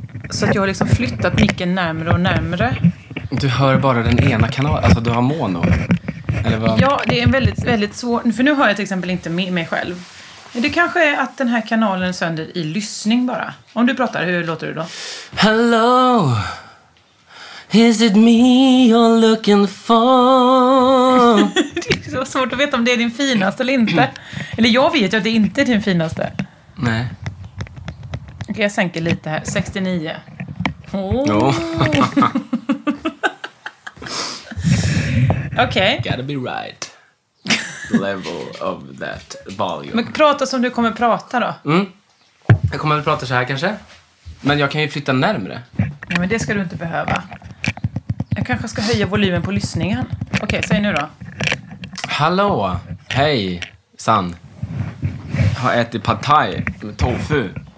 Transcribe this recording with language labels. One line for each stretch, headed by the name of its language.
Swedish: Så att jag har liksom flyttat micken närmare och närmare. Du hör bara den ena kanalen? Alltså du har mono? Eller vad? Ja, det är väldigt, väldigt svårt. För nu hör jag till exempel inte mig själv. Det kanske är att den här kanalen är sönder i lyssning bara. Om du pratar, hur låter du då?
English: Hello! Is it me you're looking for?
Swedish: Det är så svårt att veta om det är din finaste eller inte. Eller jag vet ju att det inte är din finaste. Nej. Okej, jag sänker lite här. 69. Oh. Okej.
English: Okay. Gotta be right. The level of that volume.
Swedish: Men prata som du kommer prata då. Mm. Jag kommer väl prata så här kanske. Men jag kan ju flytta närmare. Nej, men det ska du inte behöva. Jag kanske ska höja volymen på lyssningen. Okej, säg nu då. Hallå. Hej, San. Har ätit pad thai med tofu.